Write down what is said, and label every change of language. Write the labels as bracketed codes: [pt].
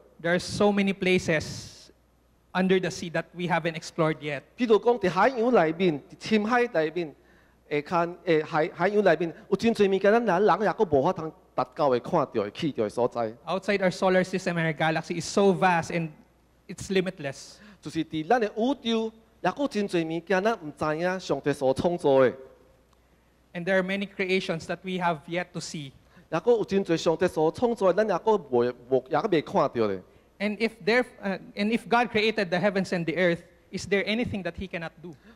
[en] There are so many places under the sea that we haven't explored yet. [nan] 譬如讲，伫海洋内面，伫深海内面，下骹诶海洋内面，有真侪物件，咱人还佫无法通。 [en] Outside our solar system and our galaxy is so vast and it's limitless. And there are many creations that we have yet to see. And if God created the heavens and the earth, is there anything that he cannot do?